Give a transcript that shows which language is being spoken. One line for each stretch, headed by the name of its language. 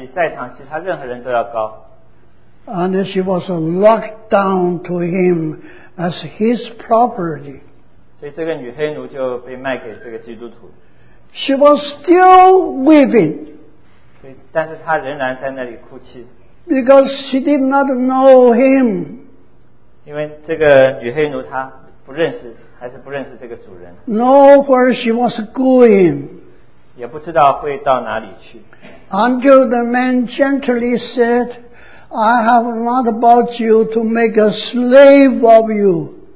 Chinese: 他出的价比在场其他任何人都要高。
English: And she was locked down to him as his property.
Chinese: 所以这个女黑奴就被卖给这个基督徒。
English: She was still weeping.
Chinese: 但是她仍然在那里哭泣。
English: Because she did not know him.
Chinese: 因为这个女黑奴她不认识这个主人。
English: Know where she was going.
Chinese: 也不知道会到哪里去。
English: Until the man gently said, I have not bought you to make a slave of you.